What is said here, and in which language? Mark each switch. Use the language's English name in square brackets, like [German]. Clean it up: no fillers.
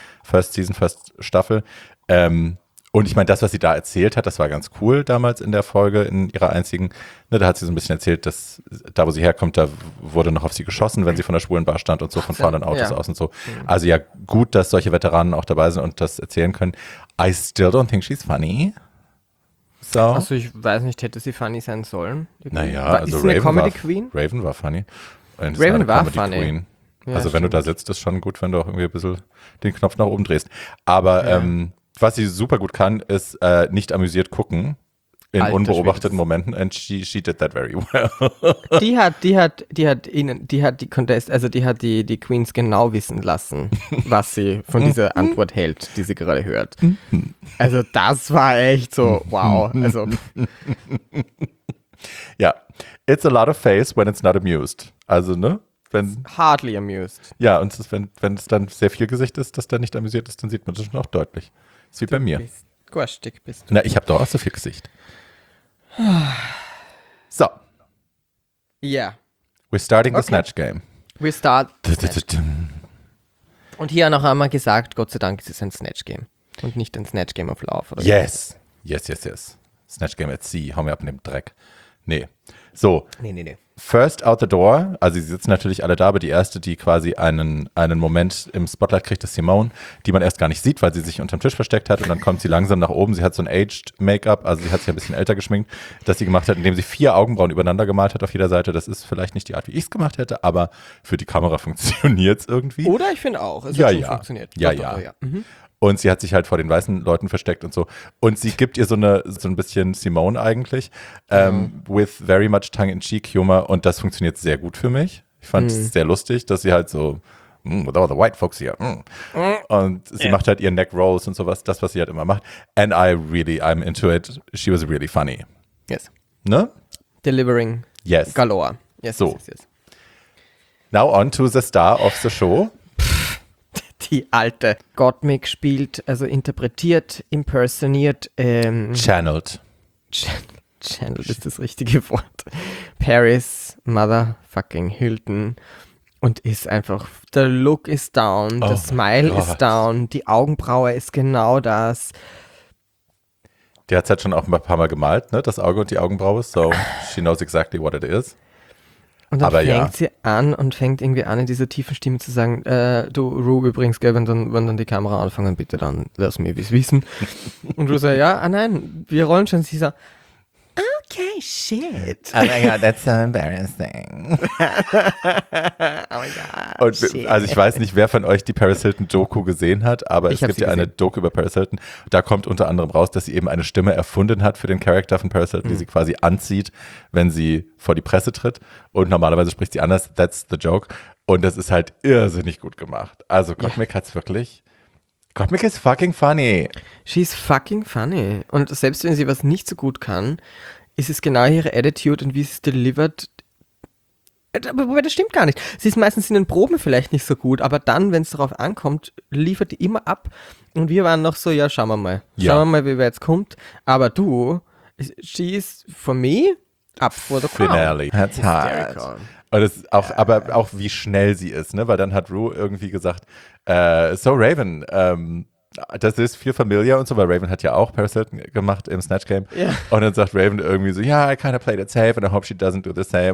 [English] First Season, [German] First Staffel. Und ich meine, das, was sie da erzählt hat, das war ganz cool damals in der Folge, in ihrer einzigen. Ne, da hat sie so ein bisschen erzählt, dass da, wo sie herkommt, da wurde noch auf sie geschossen, wenn sie von der schwulen Bar stand und so, von fahrenden Autos aus und so. Also ja, gut, dass solche Veteranen auch dabei sind und das erzählen können. [English] I still don't think she's funny. So. [German] Also ich weiß nicht, hätte sie funny sein sollen? Naja, also ist Raven, eine Comedy Queen? Raven war funny. Und Raven war Comedy funny. Queen. Also ja, wenn stimmt. du da sitzt, ist schon gut, wenn du auch irgendwie ein bisschen den Knopf nach oben drehst. Aber was sie super gut kann, ist nicht amüsiert gucken in Alter, unbeobachteten Momenten. [English] And she did that very well. [German] die Queens genau wissen lassen, was sie von dieser Antwort hält, die sie gerade hört. Also das war echt so, wow. Also ja, yeah. [English] It's a lot of face when it's not amused. [German] Also ne? Wenn, [English] hardly amused. [German] Ja, und das, wenn es dann sehr viel Gesicht ist, das dann nicht amüsiert ist, dann sieht man das schon auch deutlich. Das ist wie du bei mir. Bist du. Na, ich habe doch auch so viel Gesicht. So. Ja. Yeah. [English] We're starting the Snatch Game. We start. [German] Und hier noch einmal gesagt, Gott sei Dank, es ist ein Snatch Game. Und nicht ein Snatch Game of Love. Oder [English] yes. So. Yes, yes, yes. Snatch Game at Sea. [German] Hau mir ab in dem Dreck. Nee. [English] So. [German] Nee. [English] First out the door, [German] also sie sitzen natürlich alle da, aber die erste, die quasi einen Moment im Spotlight kriegt, ist Simone, die man erst gar nicht sieht, weil sie sich unterm Tisch versteckt hat und dann kommt sie langsam nach oben. Sie hat so ein aged Make-up, also sie hat sich ein bisschen älter geschminkt, das sie gemacht hat, indem sie vier Augenbrauen übereinander gemalt hat auf jeder Seite. Das ist vielleicht nicht die Art, wie ich es gemacht hätte, aber für die Kamera funktioniert es irgendwie. Oder ich finde auch, es hat schon funktioniert. Ja. Und sie hat sich halt vor den weißen Leuten versteckt und so. Und sie gibt ihr so ein bisschen Simone eigentlich. [English] With very much tongue-in-cheek Humor. [German] Und das funktioniert sehr gut für mich. Ich fand es sehr lustig, dass sie halt so, [English] with all the white folks here. [German] Mm. Und sie macht halt ihren Neck-Rolls und sowas. Das, was sie halt immer macht. [English] And I'm into it. She was really funny. Yes. [German] Ne? [English] Delivering. Yes. Galore. Yes, so. Yes. Now on to the star of the show. [German] Die alte. Gottmik spielt, also interpretiert, impersoniert. [English] Channeled. [German] Channeled ist das richtige Wort. Paris, motherfucking Hilton. Und ist einfach, [English] the look is down, [German] the smile is down, die Augenbraue ist genau das. Die hat es halt schon auch ein paar Mal gemalt, ne? Das Auge und die Augenbraue. [English] So, she knows exactly what it is. [German] Und dann fängt irgendwie an, in dieser tiefen Stimme zu sagen, du Ru übrigens, gell, wenn dann die Kamera anfangen, bitte dann lass mir es wissen. Und Ru sagt, nein, wir rollen schon. Sie sagt, okay, shit. [English] Oh my God, that's so embarrassing. Oh my God, und, shit. [German] Also ich weiß nicht, wer von euch die Paris Hilton Doku gesehen hat, aber ich es gibt ja eine Doku über Paris Hilton. Da kommt unter anderem raus, dass sie eben eine Stimme erfunden hat für den Charakter von Paris Hilton, die sie quasi anzieht, wenn sie vor die Presse tritt. Und normalerweise spricht sie anders, [English] that's the joke. [German] Und das ist halt irrsinnig gut gemacht. Also Gottmik hat es wirklich... Gottmik ist [English] fucking funny. She's fucking funny. [German] Und selbst wenn sie was nicht so gut kann, ist es genau ihre Attitude und wie sie es delivered. Wobei, das stimmt gar nicht. Sie ist meistens in den Proben vielleicht nicht so gut, aber dann, wenn es darauf ankommt, liefert die immer ab. Und wir waren noch so, ja, schauen wir mal. Schauen wir mal, wie weit es kommt. Aber du, [English] she is for me up for the crown. Finale. That's hard. [German] Und es auch, [English] yeah. [German] Aber auch, wie schnell sie ist, ne? Weil dann hat Rue irgendwie gesagt, so Raven, das ist viel familiar und so, weil Raven hat ja auch Paris Hilton gemacht im Snatch Game. [English] Yeah. [German] Und dann sagt Raven irgendwie so, [English] yeah, I kind of played it safe and I hope she doesn't do the same.